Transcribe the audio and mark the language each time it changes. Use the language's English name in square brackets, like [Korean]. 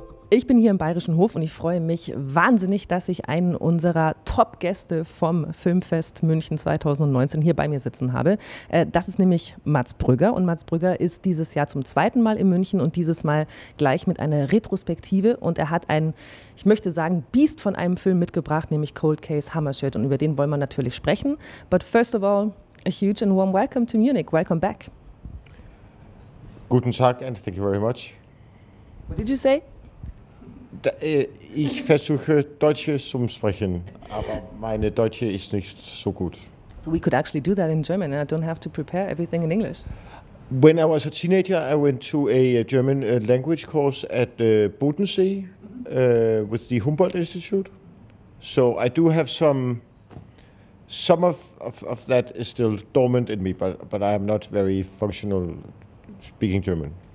[German] Ich bin hier im Bayerischen Hof und ich freue mich wahnsinnig, dass ich einen unserer Top-Gäste vom Filmfest München 2019 hier bei mir sitzen habe. Das ist nämlich Mads Brügger und Mads Brügger ist dieses Jahr zum zweiten Mal in München und dieses Mal gleich mit einer Retrospektive und er hat einen, ich möchte sagen, Biest von einem Film mitgebracht, nämlich Cold Case Hammarskjöld und über den wollen wir natürlich sprechen. [English] But first of all, a huge and warm welcome to Munich. Welcome back. [German] Guten Tag [English] and thank you very much. What did you say? [German] Ich versuche Deutsch zu sprechen, aber meine Deutsche ist nicht so gut. [English] So we could actually do that in German and I don't have to prepare everything in English. When I was a teenager, I went to a German language course at Bodensee with the Humboldt Institute. So I do have some of that is still dormant in me, but I am not very functional speaking German.